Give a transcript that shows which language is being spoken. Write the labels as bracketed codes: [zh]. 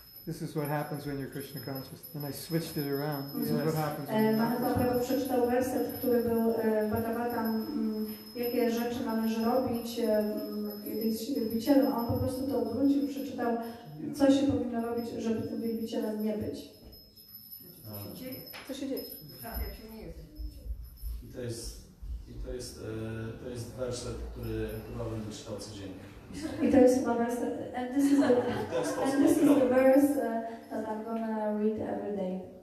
[en] This is what happens when you're Krishna conscious. And I switched it around. This is what happens when you're Krishna conscious. [pl] Przeczytał werset, który był Bhagavatam, jakie rzeczy należy robić, kiedy jest się wielbicielem. On po prostu to odwrócił, przeczytał, co się powinno robić, żeby tym wielbicielem nie być. Co się dzieje? Tak, jak się nie jest. I to jest werset, który chyba będę czytał codziennie. [en] It is my verse, and this is the verse that I'm gonna read every day.